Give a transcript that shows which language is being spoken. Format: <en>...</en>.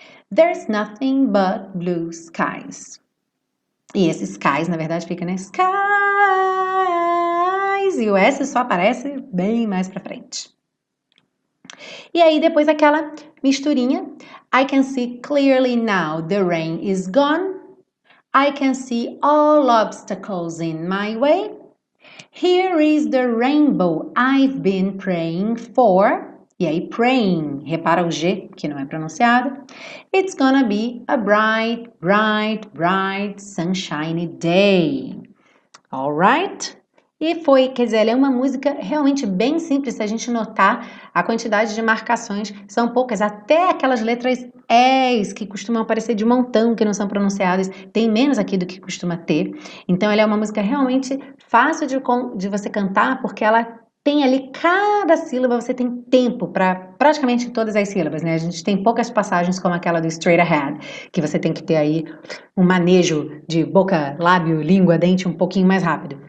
<en>There's nothing but blue skies.</en> <pt>E esses skies, na verdade, fica, né? Skies. E o S só aparece bem mais pra frente. E aí, depois aquela misturinha.</pt> <en>I can see clearly now the rain is gone. I can see all obstacles in my way. Here is the rainbow I've been praying for.</en> <pt>E aí, praying, repara o G que não é pronunciado.</pt> <en>It's gonna be a bright, bright, bright, sunshiny day. All right?</en> <pt>E foi, quer dizer, ela é uma música realmente bem simples. Se a gente notar, a quantidade de marcações são poucas, até aquelas letras Es que costumam aparecer de montão, que não são pronunciadas, tem menos aqui do que costuma ter. Então, ela é uma música realmente fácil de você cantar, porque ela tem ali cada sílaba, você tem tempo para praticamente todas as sílabas, né? A gente tem poucas passagens como aquela do straight ahead, que você tem que ter aí um manejo de boca, lábio, língua, dente um pouquinho mais rápido.</pt>